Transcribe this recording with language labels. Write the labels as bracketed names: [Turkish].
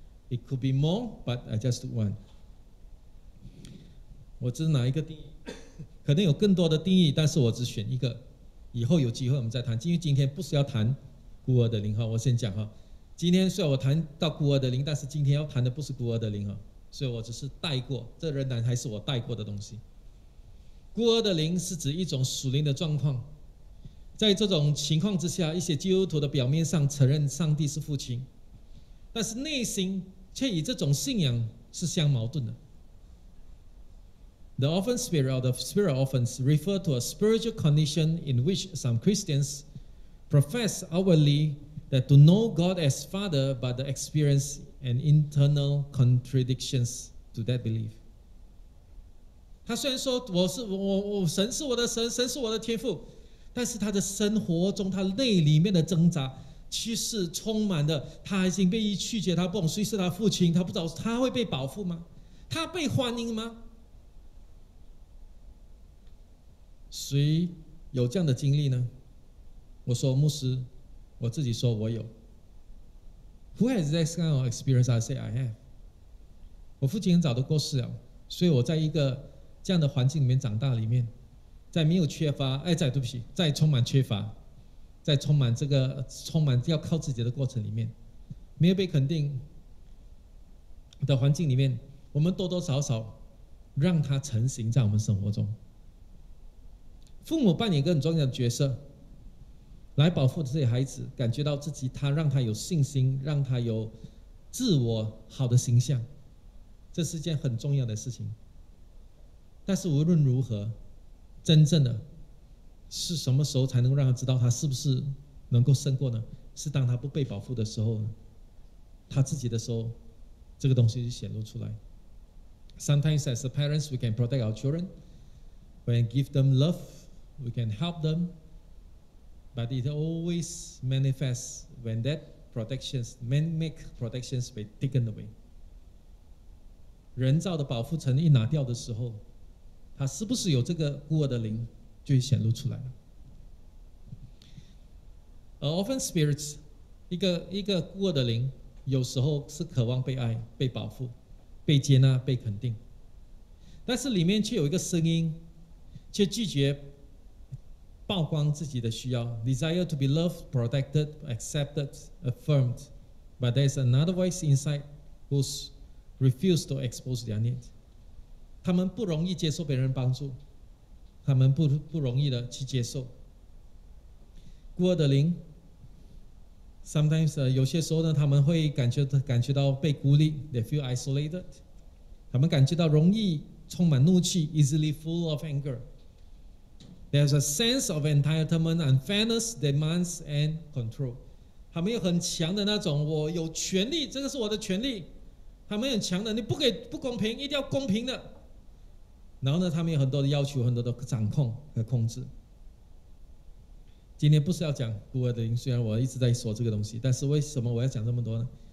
[English] It could be more, but I just took one. [Chinese] 我只是拿一个定义，可能有更多的定义，但是我只选一个，以后有机会我们再谈。因为今天不是要谈孤儿的灵，我先讲，今天虽然我谈到孤儿的灵，但是今天要谈的不是孤儿的灵，所以我只是带过，这仍然还是我带过的东西。孤儿的灵是指一种属灵的状况，在这种情况之下，一些基督徒的表面上承认上帝是父亲，但是内心却以这种信仰是相矛盾的。 [English] The orphan spirit or the spirit orphans refer to a spiritual condition in which some Christians profess outwardly that to know God as Father, but they experience an internal contradiction to that belief. [Chinese] 他虽然说我是我神是我的神，神是我的天父，但是他的生活中，他内里面的挣扎其实充满的，他已经被拒绝，他不懂谁是他父亲，他不知道他会被保护吗？他被欢迎吗？谁有这样的经历呢？我说牧师，我自己说我有。 [English] Who has this kind of experience? I say I have. [Chinese] 我父亲很早都过世了，所以我在一个这样的环境里面长大，里面在没有缺乏，在充满缺乏，在充满这个充满要靠自己的过程里面，没有被肯定的环境里面，我们多多少少让它成型在我们生活中。父母扮演一个很重要的角色，来保护自己孩子，感觉到自己，他让他有信心，让他有自我好的形象，这是件很重要的事情。但是无论如何，真正的是什么时候才能让他知道他是不是能够胜过呢？是当他不被保护的时候，他自己的时候，这个东西就显露出来。 [English] Sometimes as parents we can protect our children when give them love, we can help them, but it always manifests when that protections, man-made protections be taken away. [Chinese] 人造的保护层一拿掉的时候，他是不是有这个孤儿的灵就会显露出来了。 Orphan spirits, 一个孤儿的灵有时候是渴望被爱、被保护、被接纳、被肯定，但是里面却有一个声音却拒绝曝光自己的需要， desire to be loved, protected, accepted, affirmed, but there's another voice inside who's refused to expose their needs. 他们不容易接受别人帮助，他们 不容易的去接受孤儿的灵。 Sometimes, 有些时候呢，他们会感觉到被孤立， they feel isolated, 他们感觉到容易充满怒气， easily full of anger. [English] There's a sense of entitlement, unfairness, demands, and control. [Chinese] 他们有很强的那种，我有权利，这个是我的权利。他们很强的，你不给不公平，一定要公平的。然后呢，他们有很多的要求，很多的掌控和控制。今天不是要讲孤儿的灵，虽然我一直在说这个东西，但是为什么我要讲这么多呢？